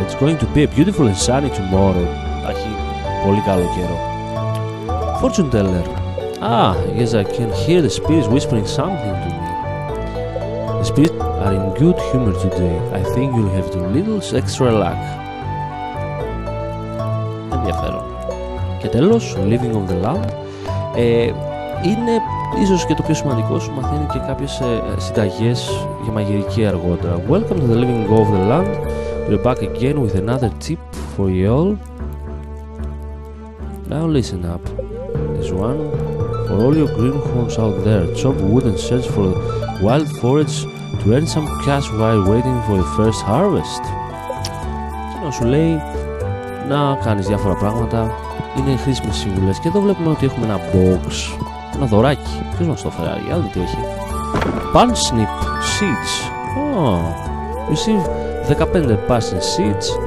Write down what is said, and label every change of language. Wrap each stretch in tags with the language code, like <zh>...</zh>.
<en>It's going to be a beautiful and sunny tomorrow.</en> <el>Θα έχει πολύ καλό καιρό.</el> <en>Fortune teller. Ah, yes, I can hear the spirits whispering something to me. The spirits are in good humor today. I think you'll have a little extra luck.</en> <el>Ενδιαφέρον. Και τέλος, Living of the Lamb. Είναι ίσως και το πιο σημαντικό, σου μαθαίνει και κάποιες συνταγές για μαγειρική αργότερα.</el> <en>Welcome to the Living of the Land. We're back again with another tip for you all. Now listen up. This one for all your greenhorns out there. Chop wood and search for wild forage to earn some cash while waiting for the first harvest.</en> <el>Και να σου λέει να κάνεις διάφορα πράγματα. Είναι χρήσιμες συμβουλές. Και εδώ βλέπουμε ότι έχουμε ένα box. Ένα δωράκι. Ποιος μας το φέρει, για να δει τι έχει.</el> <en>Parsnip seeds. Oh. Receive 15 parsnip seeds.</en>